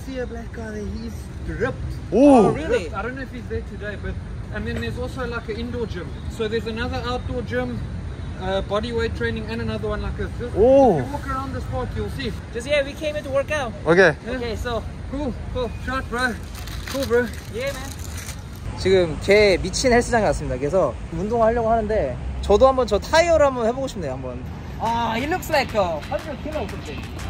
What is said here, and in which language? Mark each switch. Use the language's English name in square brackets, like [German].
[English] You see a black guy there, he's ripped. Ooh. Oh, really? I don't know if he's there today, but then there's also like an indoor gym. So there's another outdoor gym, body weight training, and another one like this. Ooh. If you walk around this park, you'll see. Just, yeah, we came here to work out. Okay. Yeah. Okay, so. Cool. Shot, bro. Cool, bro. Yeah, man. [Korean] 지금 걔 미친 헬스장에 왔습니다. 그래서 운동을 하려고 하는데 저도 한번 저 타이어를 한번 해보고 싶네요, 한번. [English] It looks like 100 kilos something.